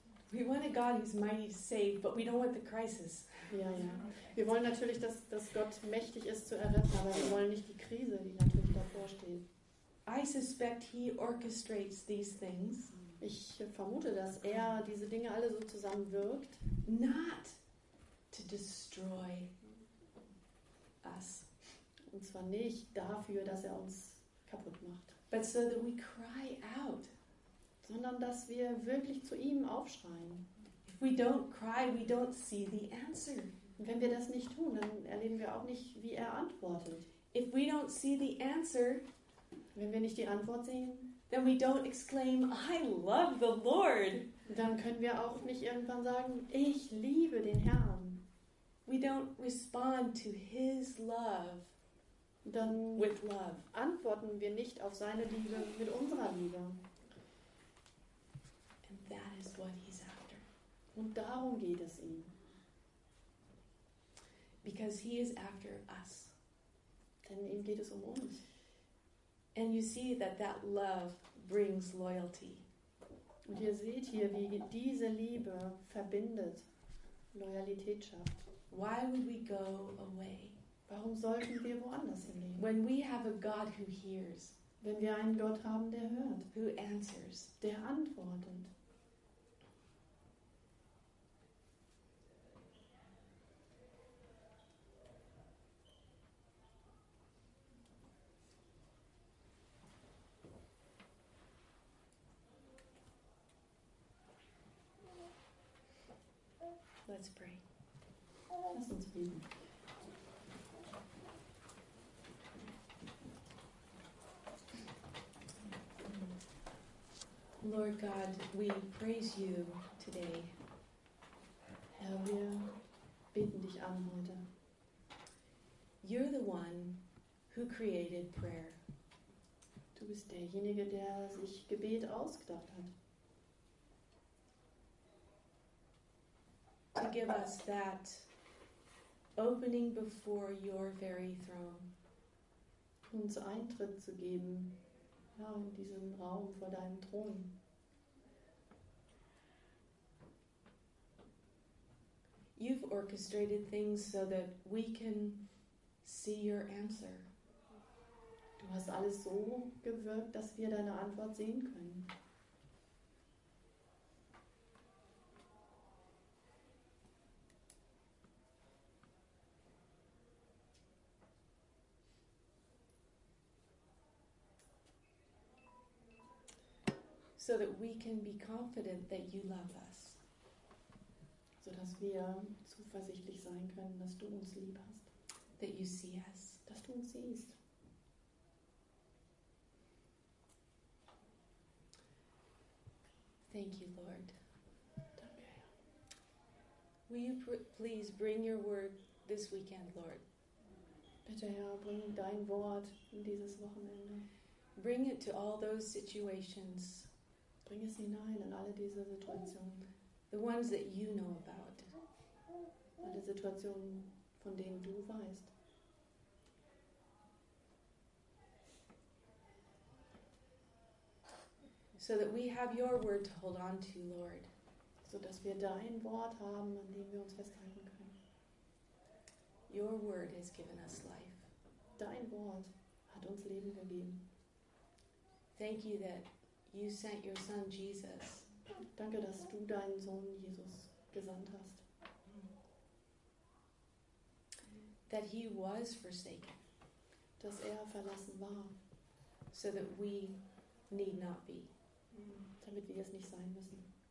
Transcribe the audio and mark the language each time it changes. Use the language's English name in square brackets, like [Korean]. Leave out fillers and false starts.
[English] We want a God who's mighty to save, but we don't want the crisis. [German] Ja, ja. Wir wollen natürlich, dass Gott mächtig ist zu erretten, aber wir wollen nicht die Krise, die natürlich davor steht. [English] I suspect he orchestrates these things. [German] Ich vermute, dass er diese Dinge alle so zusammenwirkt. [English] Not to destroy us. [German] Und zwar nicht dafür, dass er uns kaputt macht. [English] But so that we cry out. [German] Sondern dass wir wirklich zu ihm aufschreien. [English] If we don't cry, we don't see the answer. [German] Wenn wir das nicht tun, dann erleben wir auch nicht, wie antwortet. [English] If we don't see the answer, [German] wenn wir nicht die Antwort sehen, [English] then we don't exclaim, I love the Lord. [German] Dann können wir auch nicht irgendwann sagen, ich liebe den Herrn. [English] We don't respond to his love. [German] Dann [English] with love. [German] Antworten wir nicht auf seine Liebe mit unserer Liebe. [English] And that is what he's after. [German] Und darum geht es ihm. [English] Because he is after us. [German] Denn ihm geht es uns. [English] And you see that that love brings loyalty. [German] Und ihr seht hier, wie diese Liebe verbindet, Loyalität schafft. [English] Why would we go away? [German] Warum sollten wir woanders hingehen? [English] When we have a God who hears, [German] wenn wir einen Gott haben, der hört, [English] who answers, [German] der antwortet. [English] Let's pray. [German] Lass uns beten. [English] Lord God, we praise you today. [German] Herr, wir beten dich an heute. [English] You're the one who created prayer. [German] Du bist derjenige, der sich Gebet ausgedacht hat. [English] To give us that opening before your very throne. [German] Uns Eintritt zu geben, ja, in diesen Raum vor deinem Thron. [English] You've orchestrated things so that we can see your answer. [German] Du hast alles so gewirkt, dass wir deine Antwort sehen können. [English] So that we can be confident that you love us. [German] So dass wir zuversichtlich sein können, dass du uns lieb hast. [English] That you see us. [German] Dass du uns siehst. [English] Thank you, Lord. [German] Danke, Herr. [English] Will you please bring your word this weekend, Lord? [German] Bitte, Herr, bring dein Wort dieses Wochenende. [English] Bring it to all those situations. [German] Bring es hinein in alle diese Situationen. [English] The ones that you know about. [German] Alle Situationen, von denen du weißt. [English] So that we have your word to hold on to, Lord. [German] So dass wir dein Wort haben, an dem wir uns festhalten können. [English] Your word has given us life. [German] Dein Wort hat uns Leben gegeben. [English] Thank you that you sent your son Jesus. [German] Danke, dass du deinen Sohn Jesus gesandt hast. [English] That he was forsaken. [German] Dass verlassen war. [English] So that we need not be. [German] Damit wir es nicht sein müssen.